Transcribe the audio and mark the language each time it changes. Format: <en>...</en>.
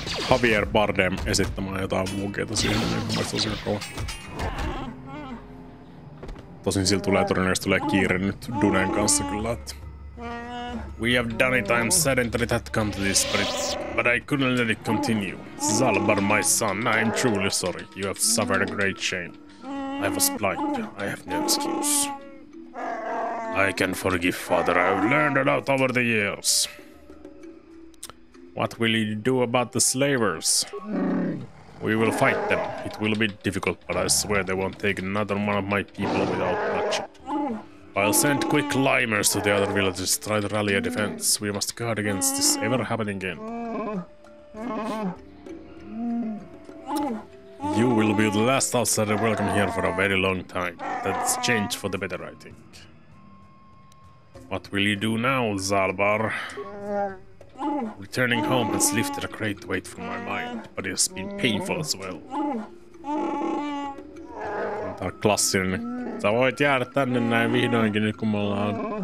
<fi>Javier Bardem esittämään jotain Wookieita siihen, niin mä olis tosiaan kova. Tosin sillä tulee todennäköisesti tulee kiire nyt Dunen kanssa kyllä, että...</fi> <en>We have done it, I'm saddened that it had come to this, but I couldn't let it continue. Zalbar, my son, I am truly sorry. You have suffered a great shame. I was blind. I have no excuse. I can forgive, father. I have learned a lot over the years. What will you do about the slavers? We will fight them. It will be difficult, but I swear they won't take another one of my people without bloodshed. I'll send quick climbers to the other villages to try to rally a defense. We must guard against this ever happening again. You will be the last outsider welcome here for a very long time. That's changed for the better, I think. What will you do now, Zalbar? Returning home has lifted a great weight from my mind, but it has been painful as well.</en> <fi>Tää on klassinen. Sä voit jäädä tänne näin vihdoinkin nyt kun me ollaan...</fi>